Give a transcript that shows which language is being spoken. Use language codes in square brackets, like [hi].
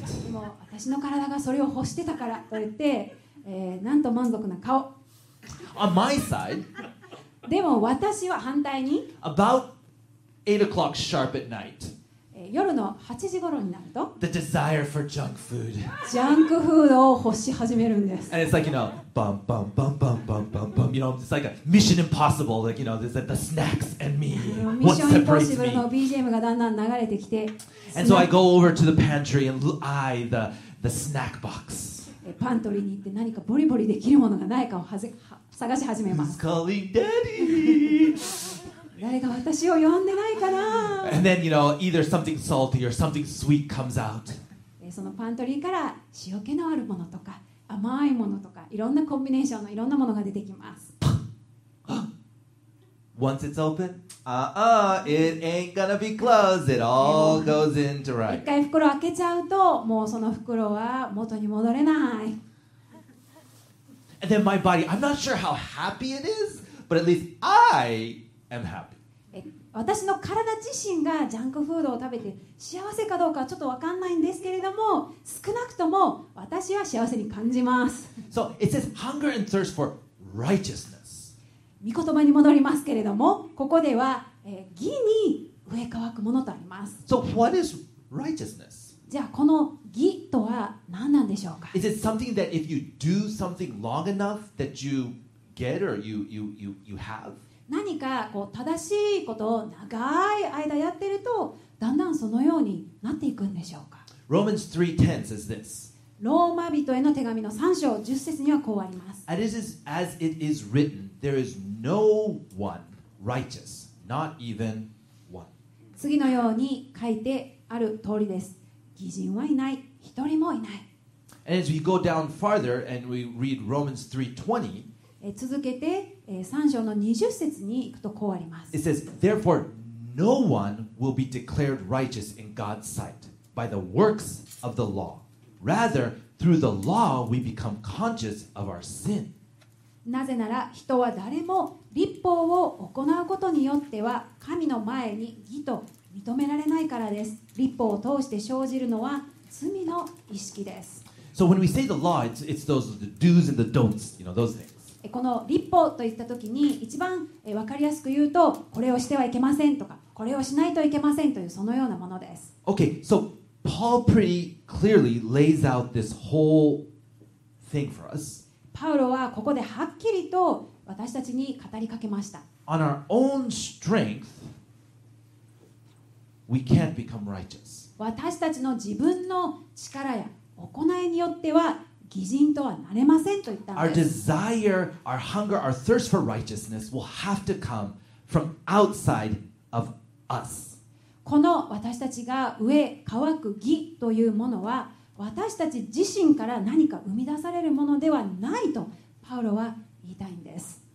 [ja] もう私の体がそれを欲してたからと言って、なんと満足な顔。 [en] On my side. [ja] でも私は反対に [en] About 8 o'clock sharp at night [ja] 夜の8時頃になると [en] The desire for junk food [ja] ジャンクフードを欲し始めるんです [en] And it's like, you know, bum bum bum bum bum bum bum You know, it's like a Mission Impossible Like, you know, there's like the snacks and me What separates me? [ja] Mission Impossible の BGM がだんだん流れてきて [en] And so I go over to the pantry and eye the snack box [ja] パントリーに行って何かボリボリできるものがないかを探し始めます。 [en] Who's calling daddy? [ja] 誰か私を呼んでないかな。 [en] And then, you know, either something salty or something sweet comes out. [ja] そのパントリーから塩気のあるものとか甘いものとかいろんなコンビネーションのいろんなものが出てきます。 [en] Once it's open, it ain't gonna be closed. It all goes into right. [ja] 一回袋開けちゃうともうその袋は元に戻れない。 [en] And then my body, I'm not sure how happy it is, but at least I am happy. [ja] 私の体自身がジャンクフードを食べて幸せかどうかはちょっと分かんないんですけれども、少なくとも私は幸せに感じます。 [en] So it says hunger and thirst for righteousness. [ja] 御言葉に戻りますけれども、ここでは義に飢え渇くものとあります。 [en] So what is righteousness? [ja] じゃあこの義とは何なんでしょうか? [en] Is it something that if you do something long enough that you get or you have? [ja] 何かこう正しいことを長い間やってるとだんだんそのようになっていくんでしょうか? [en] Romans 3:10 says this. [ja] ローマ人への手紙の3章10節にはこうあります。 [en] As it is written, there is no one righteous, not even one. [ja] 次のように書いてある通りです。義人はいない、一人もいない。 [en] And as we go down farther and we read Romans 3:20, [ja] 続けて3章の20節に行くとこうあります。 [en] It says, therefore, no one will be declared righteous in God's sight by the works of the law. Rather, through the law, we become conscious of our sin. [ja] なぜなら人は誰も律法を行うことによっては神の前に義と認められないからです。律法を通して生じるのは罪の意識です。 [en] So when we say the law, it's those the do's and the don'ts, you know, those things. [ja] この律法といったときに一番わかりやすく言うと、これをしてはいけませんとか、ここれをしないといけませんというそのようなものです。 [en] Okay, so Paul pretty clearly lays out this whole thing for us. [ja] パウロはここではっきりと私たちに語りかけました。 [en] On our own strength, we can't become righteous. [ja] 私たちの自分の力や行いによっては義人とはなれませんと言ったんです。 [en] Our desire, our hunger, our thirst for righteousness will have to come from outside of us. [ja] この私たちが飢え渇く義というものは私たち自身から何か生み出されるものではないとパウロは言いたいんです。